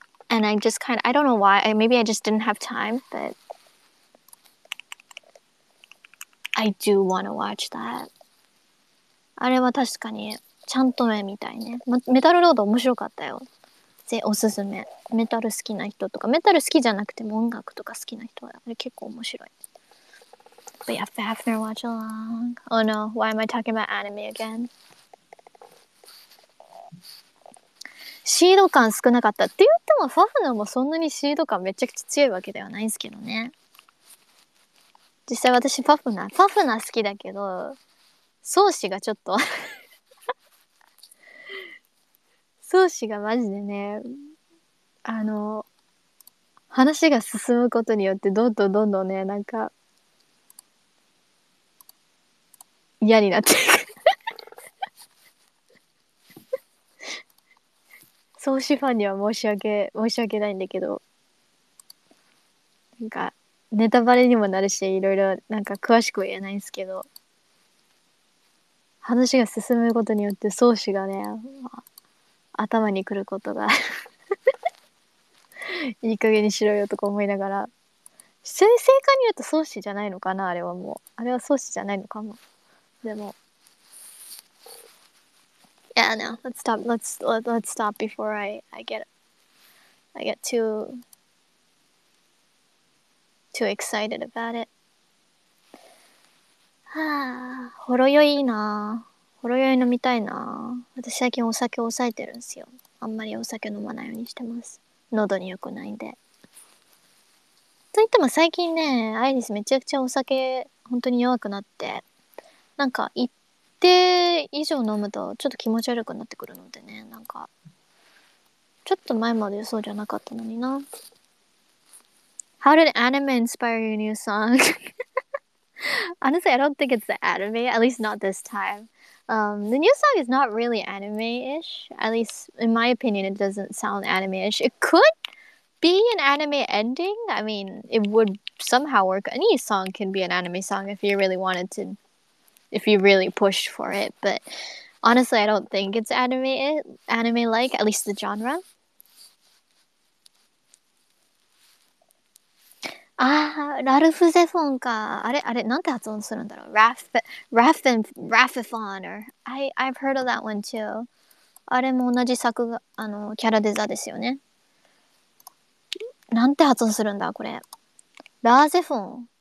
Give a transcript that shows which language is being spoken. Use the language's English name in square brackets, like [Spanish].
[English] And I just kind of, I don't know why. Maybe I just didn't have time, but I do want to watch that. [Japanese] あれは確かにちゃんと見たいね。メタルロード面白かったよ。でおすすめ。メタル好きな人とか、メタル好きじゃなくても音楽とか好きな人はあれ結構面白い。 [English] But yeah, Fafnir watch along. Oh no, why am I talking about anime again? [Japanese] シード感少なかったって言っても、Fafnirもそんなにシード感めちゃくちゃ強いわけではないんですけどね。実際私Fafnir好きだけど、宗師がちょっと…ソーシがマジでね、あの話が進むことによってどんどんどんどんね、なんか嫌になっていく。ソーシファンには申し訳ないんだけど、なんかネタバレにもなるし、いろいろなんか詳しくは言えないんですけど、話が進むことによってソーシがね、頭に来ることが。いい加減にしろよとか思いながら。正解に言うと宗師じゃないのかな、あれはもう。あれは宗師じゃないのかも。でも。 [English] Yeah, no. Let's stop before I get too excited about it. [Japanese] はぁ、あ、ほろ酔いいなぁ。ほろ酔い飲みたいな。私最近お酒を抑えてるんですよ。あんまりお酒飲まないようにしてます。喉に良くないんで。といっても最近ね、アイリスめちゃくちゃお酒本当に弱くなって、なんか一定以上飲むとちょっと気持ち悪くなってくるのでね、なんかちょっと前までそうじゃなかったのにな。 [English] How did anime inspire your new song? Honestly, I don't think it's the anime, at least not this timethe new song is not really anime-ish. At least, in my opinion, it doesn't sound anime-ish. It could be an anime ending. I mean, it would somehow work. Any song can be an anime song if you really wanted to, if you really pushed for it. But honestly, I don't think it's anime-like, at least the genre. [Japanese] ああ、ラルフゼフォンか。あれ、なんて発音するんだろう。 [English] Raffifoner. I've heard of that one too. [Japanese] あれも同じ作画、あの、キャラデザですよね。なんて発音するんだ、これ。ラーゼフォン。